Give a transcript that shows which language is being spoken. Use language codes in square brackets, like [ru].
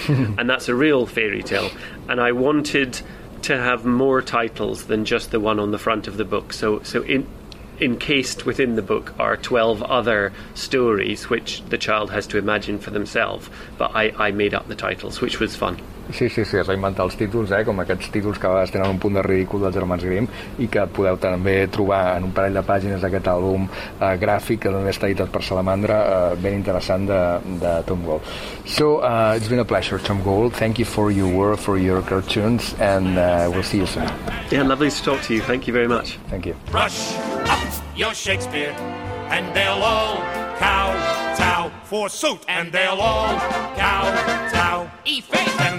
[en] And that's a real fairy tale. And I wanted to have more titles than just the one on the front of the book. So encased within the book are 12 other stories which the child has to imagine for themselves. But I made up the titles, which was fun. [ca] Sí, es va inventar els títols, com aquests títols que a vegades tenen un punt de ridícul dels Germans Grimm i que podeu també trobar en un parell de pàgines d'aquest àlbum gràfic que també està editat per Salamandra, ben interessant de Tom Gold. [en] So, it's been a pleasure, Tom Gold. Thank you for your work, for your cartoons, and we'll see you soon. Yeah, lovely to talk to you. Thank you very much. Thank you. Brush up your Shakespeare and they'll all kowtow for suit and they'll all kowtow. E-face.